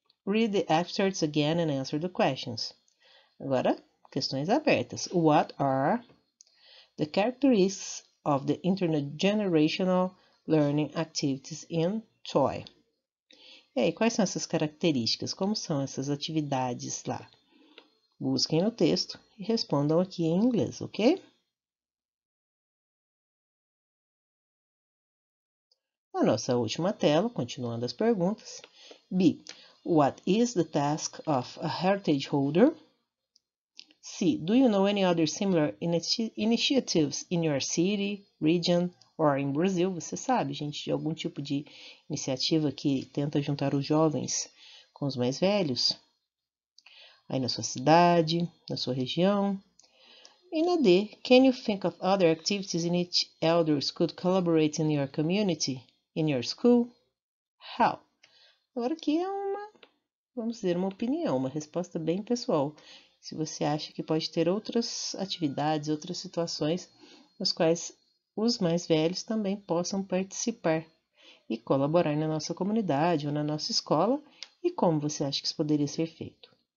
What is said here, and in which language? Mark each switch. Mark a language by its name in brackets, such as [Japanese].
[English] Read the excerpts again and answer the questions. [Portuguese] Agora, questões abertas. [English] What are the characteristics of the intergenerational learning activities in TOEI. [Portuguese] E aí, quais são essas características? Como são essas atividades lá? Busquem no texto e respondam aqui em inglês, ok? Na nossa última tela, continuando as perguntas. B. [English] What is the task of a heritage holder? C. Do you know any other similar initiatives in your city, region, or in Brazil? [Portuguese] Você sabe, gente, de algum tipo de iniciativa que tenta juntar os jovens com os mais velhos? Aí na sua cidade, na sua região. E na D. [English] Can you think of other activities in which elders could collaborate in your community, in your school? How? [Portuguese] Agora aqui é uma, vamos dizer, uma opinião, uma resposta bem pessoal. Se você acha que pode ter outras atividades, outras situações, nas quais os mais velhos também possam participar e colaborar na nossa comunidade ou na nossa escola, e como você acha que isso poderia ser feito.